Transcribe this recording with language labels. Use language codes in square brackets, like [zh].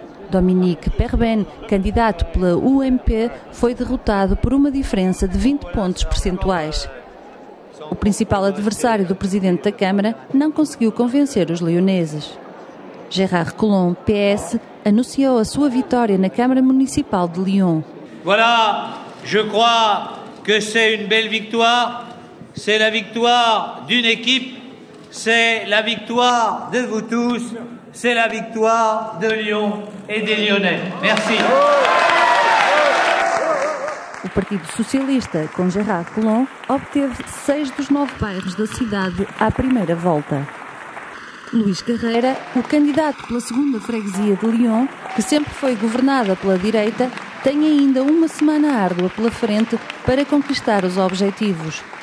[pt] Dominique Perben, candidato pela UMP, foi derrotado por uma diferença de 20 pontos percentuais. O principal adversário do presidente da Câmara não conseguiu convencer os leoneses. Gerard Colomb, PS, anunciou a sua vitória na Câmara Municipal de Lyon. [fr] Voilà, je crois que c'est une belle victoire. C'est la victoire d'une équipe. C'est la victoire de vous tous. C'est la victoire de Lyon et des Lyonnais. Merci. [pt] O Partido Socialista, com Gerard Colomb, obteve 6 dos 9 bairros da cidade à primeira volta. Luís Carreira, o candidato pela segunda freguesia de Lyon, que sempre foi governada pela direita, tem ainda uma semana árdua pela frente para conquistar os objetivos.